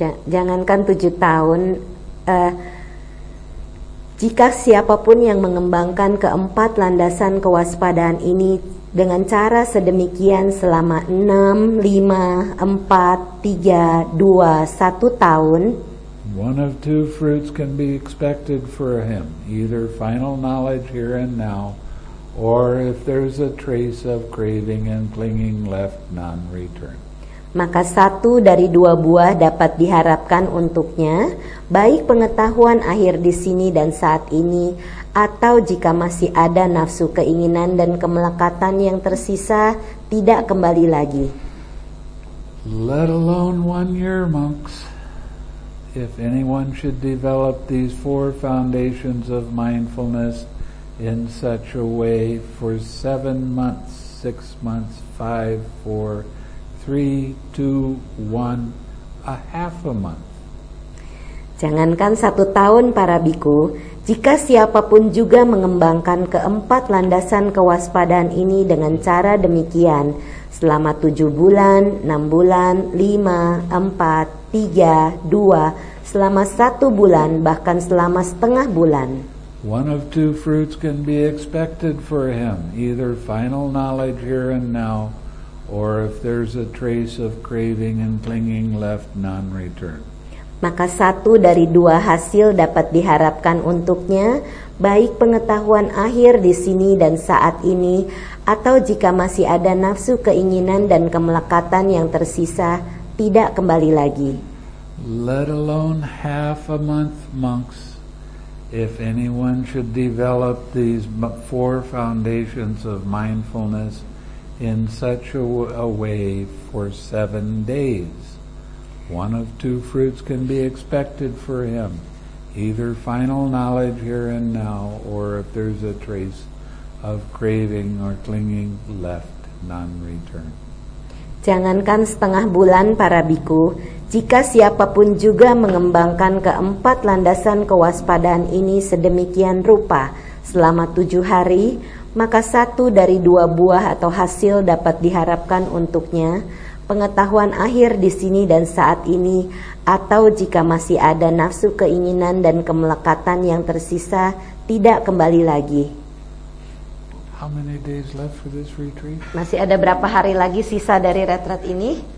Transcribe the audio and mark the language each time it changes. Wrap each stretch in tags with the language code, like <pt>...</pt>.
<id>Jangankan 7 tahun, jika siapapun yang mengembangkan keempat landasan kewaspadaan ini dengan cara sedemikian selama 6, 5, 4, 3, 2, 1 tahun.</id> <en>One of two fruits can be expected for him, either final knowledge here and now, or if there's a trace of craving and clinging left, none return.</en> <id>Maka satu dari dua buah dapat diharapkan untuknya, baik pengetahuan akhir di sini dan saat ini, atau jika masih ada nafsu keinginan dan kemelekatan yang tersisa, tidak kembali lagi.</id> <en>Let alone 1 year, monks, if anyone should develop these four foundations of mindfulness in such a way for 7 months, 6 months, 5, 4, three, two, one, a half a month.</en> <id>Jangankan satu tahun, para biku, jika siapapun juga mengembangkan keempat landasan kewaspadaan ini dengan cara demikian, selama 7 bulan, 6 bulan, 5, 4, 3, 2, selama 1 bulan, bahkan selama setengah bulan.</id> <en>One of two fruits can be expected for him, either final knowledge here and now, or if there's a trace of craving and clinging left, non-return.</en> <id>Maka satu dari dua hasil dapat diharapkan untuknya, baik pengetahuan akhir di sini dan saat ini, atau jika masih ada nafsu keinginan dan kemelekatan yang tersisa, tidak kembali lagi.</id> <en>Let alone half a month, monks, if anyone should develop these four foundations of mindfulness in such a way for 7 days. One of two fruits can be expected for him, either final knowledge here and now, or if there's a trace of craving or clinging left, non-return.</en> <id>Jangankan setengah bulan, para biku, jika siapapun juga mengembangkan keempat landasan kewaspadaan ini sedemikian rupa selama 7 hari, maka satu dari dua buah atau hasil dapat diharapkan untuknya, pengetahuan akhir di sini dan saat ini, atau jika masih ada nafsu keinginan dan kemelekatan yang tersisa, tidak kembali lagi.</id> <en>How many days left for this retreat?</en> <id>Masih ada berapa hari lagi sisa dari retreat ini?</id>